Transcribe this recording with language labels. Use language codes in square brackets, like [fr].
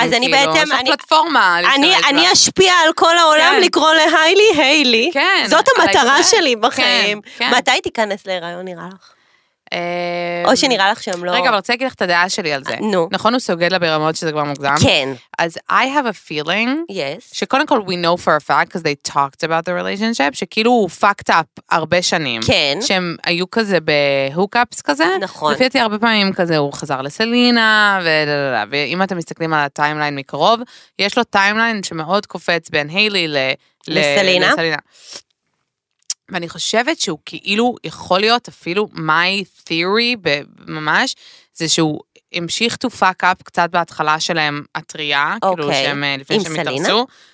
[he] אז אני בעצם, יש לך פלטפורמה. אני אשפיע על כל העולם לקרוא להיילי, היילי. כן. זאת המטרה שלי בחיים. מתי תיכנס להיריון, נראה לך? או שנראה לך שהם לא. רגע, אבל רוצה להגיד לך את הדעה שלי על זה. נו. נכון, הוא סוגד לברמות שזה כבר מוגזם? כן. [en] אז I have a feeling, yes. [he] שקודם כל, [en] we know for a fact, because they talked about the relationship, [he] שכאילו הוא [en] fucked up [he] הרבה שנים. כן. שהם היו כזה בהוקאפס כזה. נכון. לפי אותי הרבה פעמים כזה, הוא חזר לסלינה, ואם אתם מסתכלים על הטיימליין מקרוב, יש לו טיימליין שמאוד קופץ בין היילי לסלינה. ואני חושבת שהוא כאילו יכול להיות אפילו [en] my theory [he] ממש, זה שהוא המשיך [en] to fuck up [he] קצת בהתחלה שלהם הטריה, כאילו שהם לפני שהם התרצו.